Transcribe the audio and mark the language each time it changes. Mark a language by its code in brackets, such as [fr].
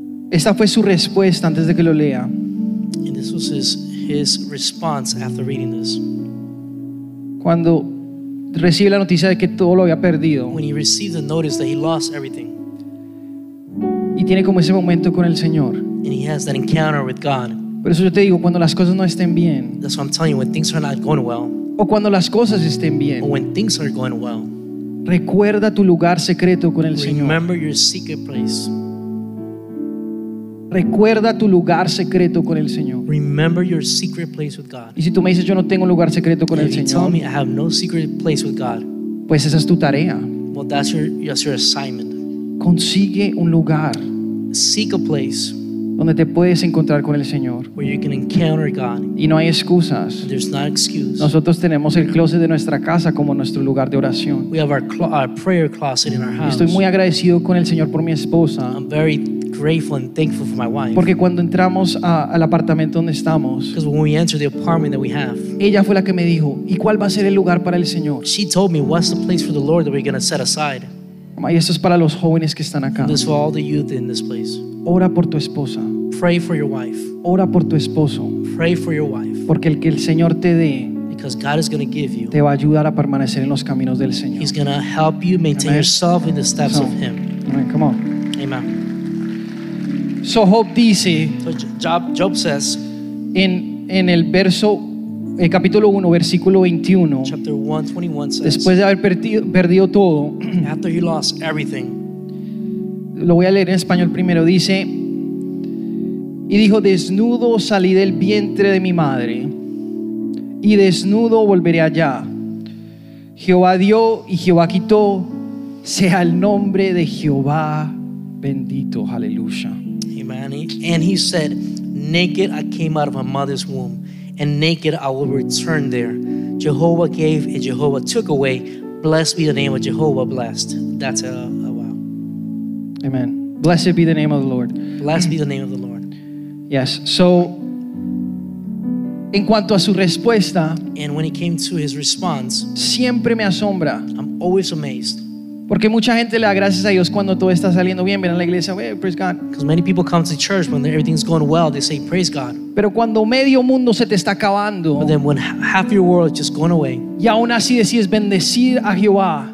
[es] Esta fue su respuesta antes de que lo lea. [en] And this was his response after reading this. [es] Cuando recibe la noticia de que todo lo había perdido. [en] When he received the notice that he lost everything. [es] Y tiene como ese momento con el Señor. [en] And he has that encounter with God. [es] Por eso yo te digo, cuando las cosas no estén bien. [en] That's what I'm telling you, when things are not going well. [es] O cuando las cosas estén bien. [en] Or when things are going well. [es] Recuerda tu lugar secreto con el Señor. [en] Remember your secret place. [es] Recuerda tu lugar secreto con el Señor. [en] Remember your secret place with God. [es] Y si tú me dices yo no tengo lugar secreto con [en] if [es] el Señor. [en] Tell me I have no secret place with God. [es] Pues esa es tu tarea. [en] Well, that's your assignment. [es] Consigue un lugar. [en] Seek a place [es] donde te puedes encontrar con el Señor. [en] Where you can encounter God. [es] Y no hay excusas. [en] There's not excuse. [es] Nosotros tenemos el closet de nuestra casa como nuestro lugar de oración. [en] We have our prayer closet in our house. [es] Y estoy muy agradecido con el Señor por mi esposa. [en] I'm very grateful and thankful for my wife. [es] Porque cuando entramos al apartamento donde estamos, [en] because when we entered the apartment that we have, [es] ella fue la que me dijo, ¿y cuál va a ser el lugar para el Señor? [en] She told me, what's the place for the Lord that we're going to set aside? [es] Y esto es para los jóvenes que están acá. [en] This is for all the youth in this place. [es] Ora por tu esposa. [en] Pray for your wife. [es] Ora por tu esposo. [en] Pray for your wife. [es] Porque el que el Señor te dé, [en] because God is going to give you, [es] te va a ayudar a permanecer en los caminos del Señor. [en] He's going to help you maintain amen yourself in the steps of Him. Amen. Come on. Amen. [es] So Job dice, [en] so Job says, [es] en el verso, el capítulo 1, versículo 21, [en] chapter 1:21 says, [es] después de haber perdido todo, after he lost everything, lo voy a leer en español primero, dice, y dijo, desnudo salí del vientre de mi madre, y desnudo volveré allá. Jehová dio y Jehová quitó, sea el nombre de Jehová bendito, aleluya. [en] And he said, naked I came out of my mother's womb, and naked I will return there. Jehovah gave and Jehovah took away. Blessed be the name of Jehovah, blessed. That's a wow. Amen. Blessed be the name of the Lord. Blessed be the name of the Lord. Yes. [es] So, en cuanto a su respuesta, [en] and when it came to his response, [es] siempre me asombra. [en] I'm always amazed. [es] Porque mucha gente le da gracias a Dios cuando todo está saliendo bien, ven a la iglesia, [en] hey, praise God. Because many people come to church when everything's going well, they say praise God. [es] Pero cuando medio mundo se te está acabando, [en] but then when half your world is just going away, [es] y aún así decides bendecir a Jehová,